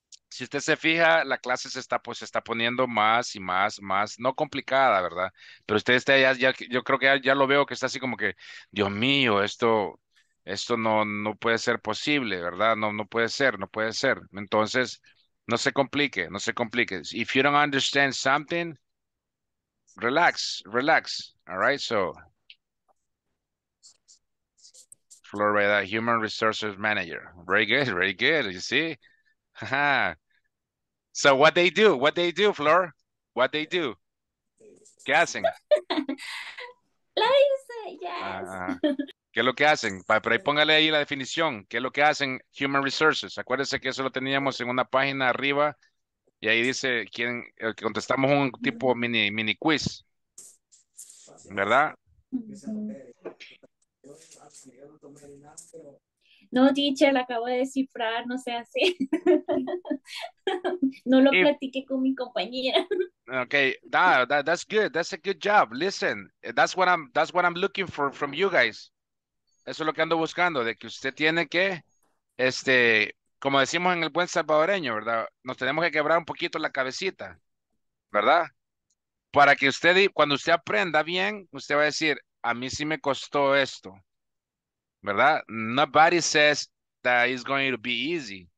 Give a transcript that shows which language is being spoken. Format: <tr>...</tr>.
<es>Si usted se fija, la clase se está poniendo más y más, más, no complicada, ¿verdad? Pero usted está ya, yo creo que ya lo veo que está así como que, Dios mío, esto no puede ser posible, ¿verdad? No puede ser. Entonces, no se complique.</es> <en>If you don't understand something, relax, all right? So, Florida Human Resources Manager. Very good, you see? Ha-ha. So what they do, Flor? What they do?</en> <es>¿Qué hacen? La hice, yes. ¿Qué es lo que hacen? Por ahí póngale ahí la definición. ¿Qué es lo que hacen Human Resources? Acuérdense que eso lo teníamos en una página arriba y ahí dice quién, que contestamos un tipo mini quiz. ¿Verdad? Mm-hmm. No, teacher, la acabo de descifrar, no sé, así. No lo platiqué con mi compañera.</es> <en>Okay, that's good. That's a good job. Listen, that's what I'm looking for from you guys.</en> <es>Eso es lo que ando buscando, de que usted tiene que, como decimos en el buen salvadoreño, ¿verdad? Nos tenemos que quebrar un poquito la cabecita, ¿verdad? Para que usted, cuando usted aprenda bien, usted va a decir, a mí sí me costó esto. ¿Verdad?</es> <en>Nobody says that it's going to be easy.</en>